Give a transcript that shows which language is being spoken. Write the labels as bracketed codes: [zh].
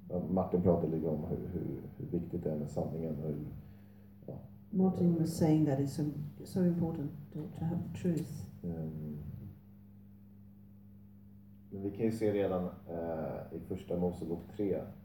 [sv] Martin pratade lite om hur viktigt det är med sanningen. Och hur, ja. [en] Martin was saying that it's so important to have the truth. [sv] Men vi kan ju se redan i första Mosebok 3.